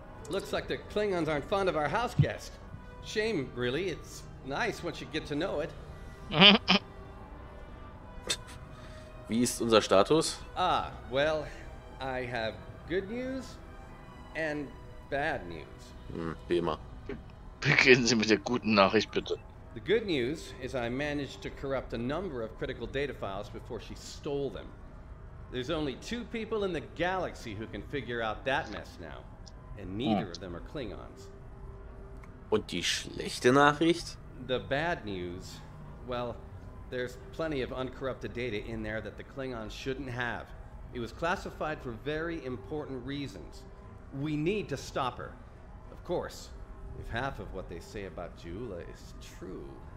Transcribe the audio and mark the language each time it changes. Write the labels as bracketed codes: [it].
[en] Looks like the Klingons aren't fond of our house guest. Shame, really. It's nice once you get to know it. [de] Wie ist unser Status? [en] Ah, well, I have good news and bad news. [de] Wie immer. Beginnen Sie mit der guten Nachricht, bitte. [en] The good news is I managed to corrupt a number of critical data files before she stole them. There's only two people in the galaxy who can figure out that mess now. And neither of them are Klingons. [de] Und die schlechte Nachricht? [en] The bad news, well, there's plenty of uncorrupted data in there that the Klingons shouldn't have. It was classified for very important reasons. We need to stop her. Of course, if half of what they say about Ja'ula is true.